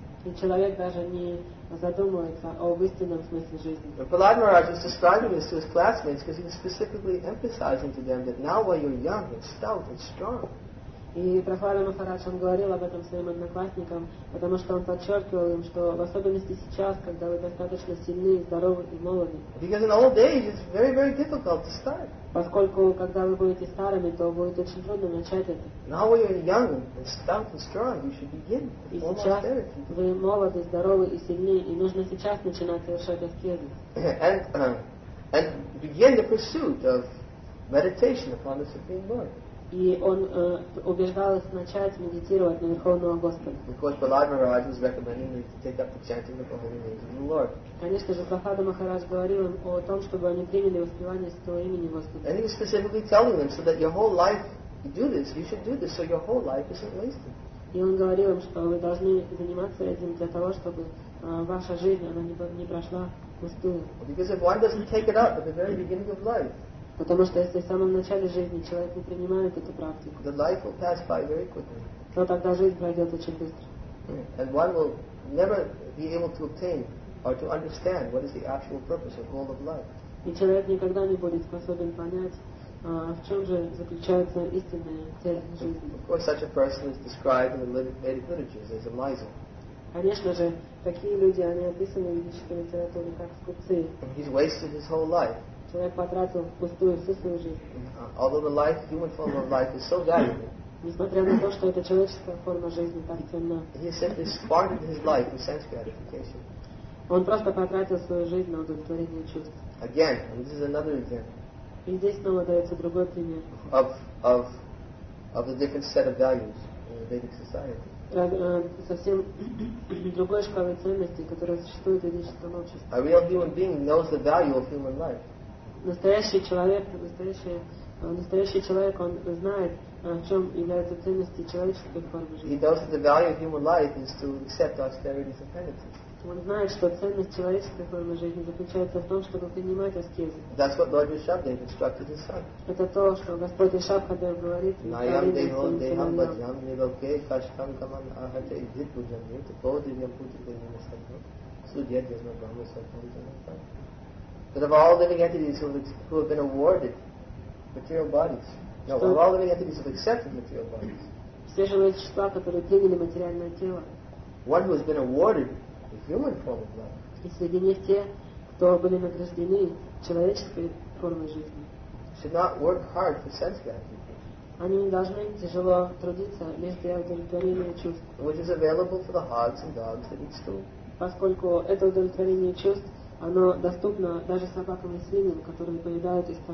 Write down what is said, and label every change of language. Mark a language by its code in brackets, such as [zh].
[ru] И человек даже не задумывается о истинном смысле жизни. [en] But Prahlad Maharaj is describing this to his classmates because he was specifically emphasizing to them that now while you're young and stout and strong. [ru] И Прахлада Махарадж, он говорил об этом своим одноклассникам, потому что он подчеркивал им, что в особенности сейчас, когда вы достаточно сильны, здоровы и молоды. [en] Because in old age it's very, very difficult to start. [ru] Поскольку когда вы будете старыми, то будет очень трудно начать это. [en] Now when you're young and stout and strong, you should begin. [ru] И сейчас вы молоды, здоровы и сильны, и нужно сейчас начинать совершать аскезы. [en] And and begin the pursuit of meditation upon the Supreme Lord. [ru] И он убеждал их начать медитировать на Верховного Господа. [en] Because Prahlada Maharaj was recommending them to take up the chanting of the holy name of the Lord. [ru] Конечно же, Прахлада Махарадж говорил им о том, чтобы они приняли воспевание Святого имени Господа. [en] And he was specifically telling them so that your whole life you do this, you should do this, so your whole life isn't wasted. [ru] И он говорил им, что вы должны заниматься этим для того, чтобы ваша жизнь она не прошла пустую. [en] Because if one doesn't take it up at the very beginning of life. [ru] Потому что если в самом начале жизни человек не принимает эту практику, [en] the life will pass by very quickly. [ru] То тогда жизнь пройдет очень быстро. [en] And one will never be able to obtain or to understand what is the actual purpose of all of life. [ru] И человек никогда не будет способен понять, в чем же заключается истинная цель жизни. [en] Of course, such a person is described in the Vedic literatures as a miser. [ru] Конечно же, такие люди, они описаны в ведической литературе как скупцы. [en] He's wasted his whole life. [ru] Человек потратил впустую всю свою жизнь. [en] Although the life, human form of life is so valuable. [ru] Несмотря на то, что это человеческая форма жизни так ценна. [en] He simply squandered his life in sense gratification. [ru] Он просто потратил свою жизнь на удовлетворение чувств. [en] Again, and this is another example. [ru] И здесь снова дается другой пример. [en] Of the different set of values in the Vedic society. [ru] Совсем другой шкалы ценностей, которая существует в ведическом обществе. [en] A real human being knows the value of human life. [ru] Настоящий человек, он знает, в чем являются ценности человеческой формы жизни. [en] He knows that the value of human life is to accept austerities and penances. [ru] Он знает, что ценность человеческой формы жизни заключается в том, чтобы принимать аскезы. [en] That's what Lord Vishabdev instructed his son. [ru] Это то, что Господь Вишабхадев говорит. [sa] Nayam deho deham bhajam nirokhe kashkam kaman ahate idhit bhujamne tupo divyam putipenyam sattva sudhya jasma brahma sattva jamata. [en] That of all living entities who have been awarded material bodies, of all living entities who have accepted material bodies, [ru] все живые существа, которые приняли материальное тело, [en] one who has been awarded the human form of life, [ru] и среди них те, кто были награждены человеческой формой жизни, [en] should not work hard for sense gratification. [ru] Они не должны тяжело трудиться лишь для удовлетворения чувств, [en] which is available for the hogs and dogs that eat stool. [ru] Поскольку это удовлетворение чувств оно доступно даже собакам и свиньям, которые поедают